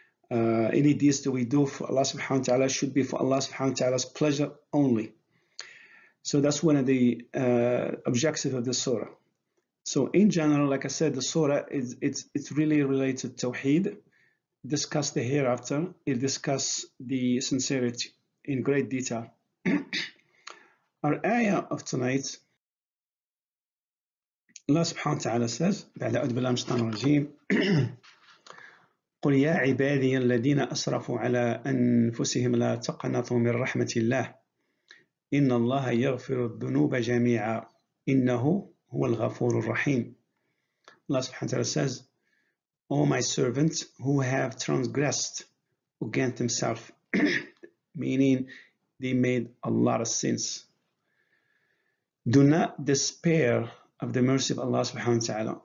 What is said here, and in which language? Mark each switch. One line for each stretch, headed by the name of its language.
English: Any deeds that we do for Allah subhanahu wa ta'ala should be for Allah subhanahu wa ta'ala's pleasure only. So that's one of the objectives of the surah. So in general, like I said, the surah is really related to Tawheed, discuss the hereafter, it discuss the sincerity in great detail. Our ayah of tonight, Allah subhanahu wa ta'ala says,
Arabic: بعد أعوذ بالله من الشيطان الرجيم قل يا عبادي الذين أسرفوا على أنفسهم لا تقنطوا من رحمة الله إن الله يغفر الذنوب جميعا إنه هو الغفور الرحيم.
English: Allah subhanahu wa ta'ala says, O my servants who have transgressed against himself, meaning they made a lot of sins, do not despair of the mercy of Allah subhanahu wa ta'ala.